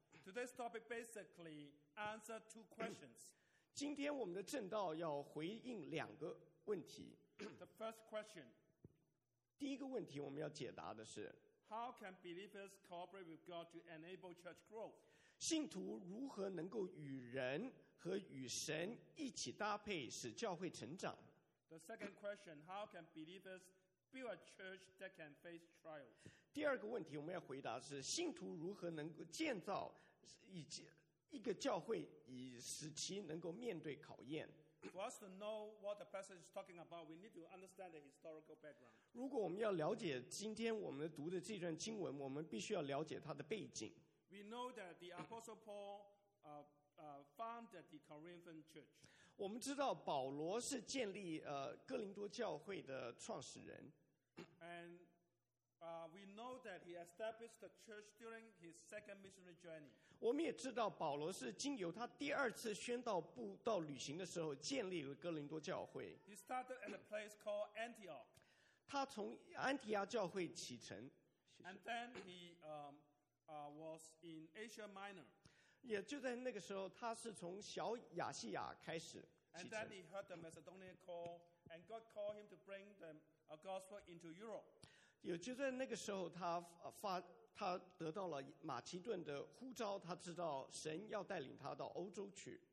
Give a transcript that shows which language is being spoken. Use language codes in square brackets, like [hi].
[en] Today's topic basically answers two questions. [zh] 今天我们的正道要回应两个问题。 [en] The first question. [zh] 第一个问题我们要解答的是 [en] How can believers cooperate with God to enable church growth? [zh] 信徒如何能够与人和与神一起搭配，使教会成长 [en] ？The second question: How can believers build a church that can face trials? [zh] 第二个问题我们要回答是：信徒如何能够建造以及一个教会，以使其能够面对考验 [en] ？For us to know what the passage is talking about, we need to understand the historical background. [zh] 如果我们要了解今天我们读的这段经文，我们必须要了解它的背景。 [en] We know that the Apostle Paul founded the Corinthian church. [zh] 我们知道保罗是建立哥林多教会的创始人。 [en] And we know that he established the church during his second missionary journey. [zh] 我们也知道保罗是经由他第二次宣道布道旅行的时候建立了哥林多教会。 [en] He started at a place called Antioch. [zh] 他从安提亚教会启程。 [en] And then he was in Asia Minor. [zh] 也就在那个时候，他是从小亚细亚开始启程。 [en] And then he heard the Macedonian call, and God called him to bring the gospel into Europe. [zh] 也就在那个时候，他得到了马其顿的呼召，他知道神要带领他到欧洲去。